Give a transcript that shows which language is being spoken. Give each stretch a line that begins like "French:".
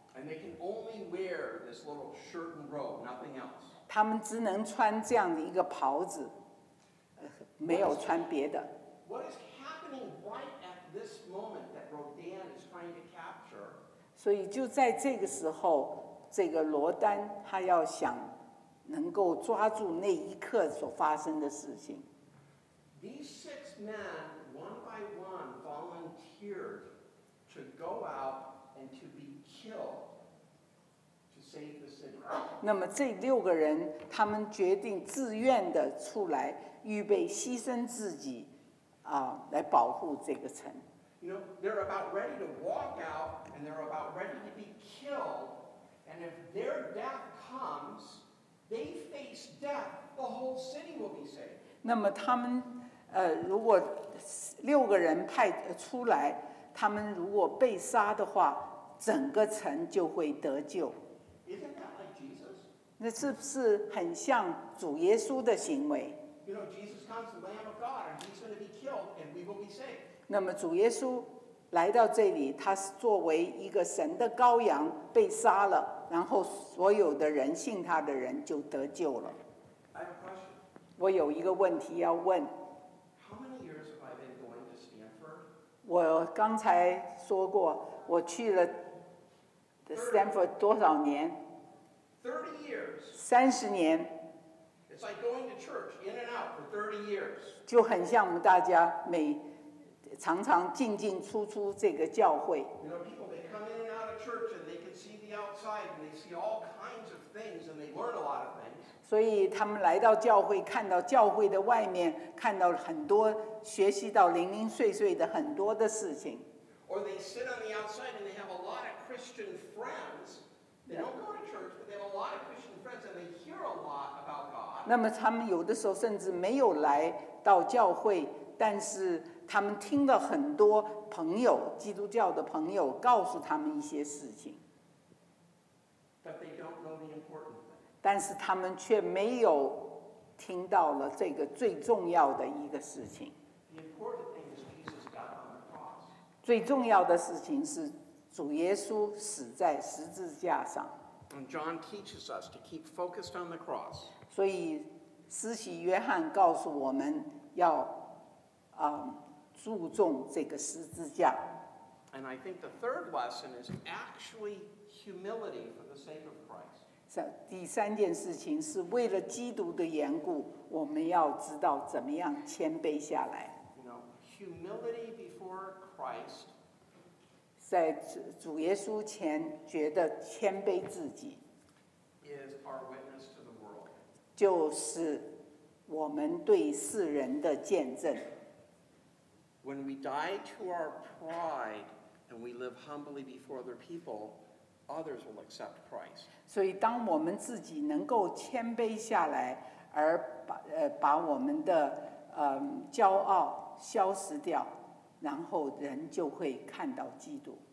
English: And they can only wear this little shirt and robe, nothing else.
Chinese: 他们只能穿这样的一个袍子，没有穿别的。
English: What is happening right now? This moment that Rodin is trying to capture.
Chinese: 所以就在这个时候，这个罗丹他要想能够抓住那一刻所发生的事情。
English: These six men, one by one, volunteered to go out and to be killed to save the city.
Chinese: 那么这六个人，他们决定自愿的出来，预备牺牲自己。来保护这个城。
English: You know, they're about ready to walk out and they're about ready to be killed. And if their death comes, they face death, the whole city will be saved.
Chinese: 那么他们如果六个人派出来，他们如果被杀的话，整个城就会得救。
English: Isn't that like Jesus?
Chinese: 那是不是很像主耶稣的行为？
English: You know, Jesus comes, the Lamb of God, and he's going to be killed, and we will be saved.
Chinese: 那么主耶稣来到这里，他是作为一个神的羔羊被杀了，然后所有的人信他的人就得救了。
English: I have a question.
Chinese: 我有一个问题要问。
English: How many years have I been going to Stanford?
Chinese: 我刚才说过，我去了 Stanford 多少年？
English: 30 years.
Chinese: 三十年。
English: It's like going to church in and out for 30 years.
Chinese: 就很像我们大家每常常进进出出这个教会。
English: You know, people, they come in and out of church and they can see the outside and they see all kinds of things and they learn a lot of things.
Chinese: 所以他们来到教会，看到教会的外面，看到很多，学习到零零碎碎的很多的事情。
English: Or they sit on the outside and they have a lot of Christian friends. They don't go to church, but they have a lot of Christian friends, and they hear a lot about God.
Chinese: 那么他们有的时候甚至没有来到教会，但是他们听了很多朋友，基督教的朋友告诉他们一些事情。
English: But they don't know the important thing.
Chinese: 但是他们却没有听到了这个最重要的一个事情。
English: The important thing is Jesus got on the cross.
Chinese: 最重要的事情是。主耶稣死在十字架上。
English: And John teaches us to keep focused on the cross.
Chinese: 所以，施洗约翰告诉我们要，注重这个十字架。
English: And I think the third lesson is actually humility for the sake of Christ.
Chinese: 第三件事情是为了基督的缘故，我们要知道怎么样谦卑下来。
English: You know, humility before Christ.
Chinese: 在主耶稣前觉得谦卑自己。
English: Is our witness to the world.
Chinese: 就是我们对世人的见证。
English: When we die to our pride and we live humbly before other people, others will accept Christ.
Chinese: 所以当我们自己能够谦卑下来，而 把我们的骄傲消失掉，然后人就会看到基督。